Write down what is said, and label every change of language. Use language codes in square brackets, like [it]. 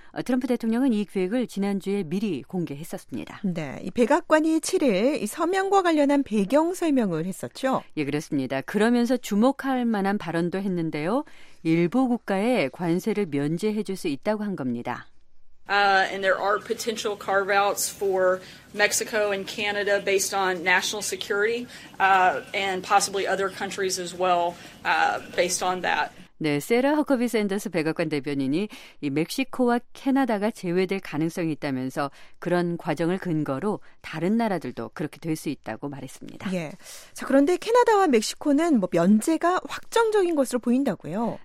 [ko] 트럼프 대통령은 이 계획을 지난주에 미리 공개했었습니다. 네, 이 백악관이 7일 이 서명과 관련한 배경 설명을 했었죠? 예, 그렇습니다. 그러면서 주목할 만한 발언도 했는데요. 일부 국가에 관세를 면제해 줄 수 있다고 한 겁니다. [en] And there are potential carve-outs for Mexico and Canada based on national security and possibly other countries as well based on that. [ko] 네, 세라 허커비 샌더스 백악관 대변인이 이 멕시코와 캐나다가 제외될 가능성이 있다면서 그런 과정을 근거로 다른 나라들도 그렇게 될 수 있다고 말했습니다. 예. 자, 그런데 캐나다와 멕시코는 뭐 면제가 확정적인 것으로 보인다고요?